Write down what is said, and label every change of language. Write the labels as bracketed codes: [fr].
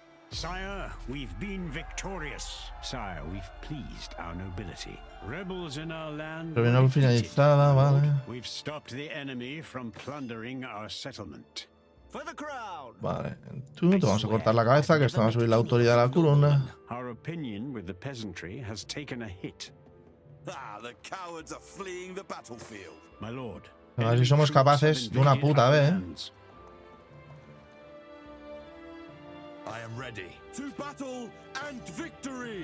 [en] Sire, we've been victorious. Sire, we've pleased our nobility. Rebels in our land. [es] Terminal finalizada, vale. [en] We've stopped the enemy from plundering our settlement. For the crown. Vale. [es] Tú te vamos a cortar la cabeza, que estamos a subir la autoridad a la corona. [en] Our opinion with the peasantry has taken a hit. Ah, the cowards are fleeing the battlefield. My lord. [es] A ver si somos capaces de una puta vez. [en] I am ready to battle and victory.